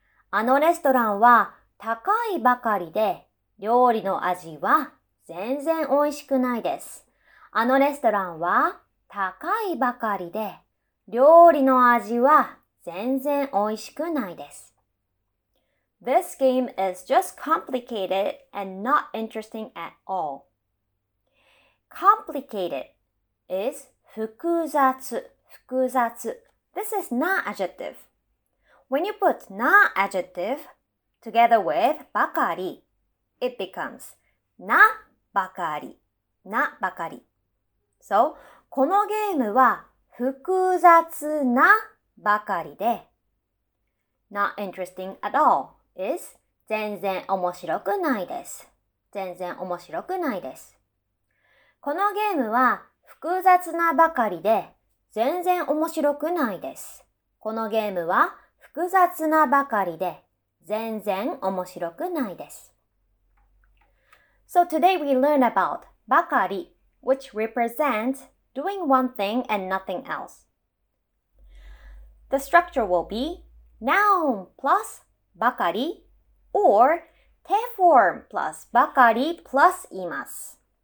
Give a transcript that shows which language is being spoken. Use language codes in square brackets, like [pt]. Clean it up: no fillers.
[ja] あのレストランは高いばかりで、料理の味は全然おいしくないです。あのレストランは高いばかりで、料理の味は全然おいしくないです。 [en] This game is just complicated and not interesting at all. Complicated is [ja] 複雑、複雑。 [en] This is na adjective. When you put na adjective together with ばかり, it becomes [ja] なばかり、なばかり。 So, このゲームは複雑なばかりで、 [en] not interesting at all. Is [ja] 全然面白くないです。全然面白くないです。このゲームは複雑なばかりで全然面白くないです。このゲームは複雑なばかりで全然面白くないです。 [en] So today we learn about ばかり, which represents doing one thing and nothing else. The structure will be noun plus ばかり or te form plus ばかり plus います。